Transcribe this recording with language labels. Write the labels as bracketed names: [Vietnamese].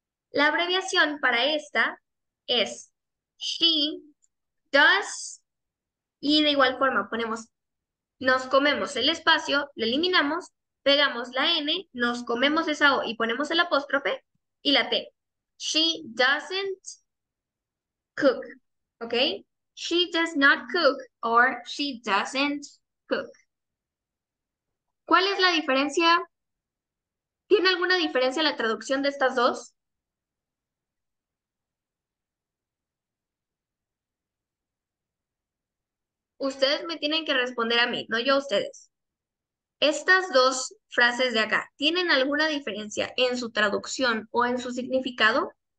[Spanish] La abreviación para esta es [English] she does, [Spanish] y de igual forma ponemos. Nos comemos el espacio, lo eliminamos, pegamos la N, nos comemos esa O y ponemos el apóstrofe y la T. [English] She doesn't cook, ¿ok? She does not cook or she doesn't cook. [Spanish] ¿Cuál es la diferencia? ¿Tiene alguna diferencia la traducción de estas dos? Ustedes me tienen que responder a mí, no yo a ustedes. Estas dos frases de acá, ¿tienen alguna diferencia en su traducción o en su significado?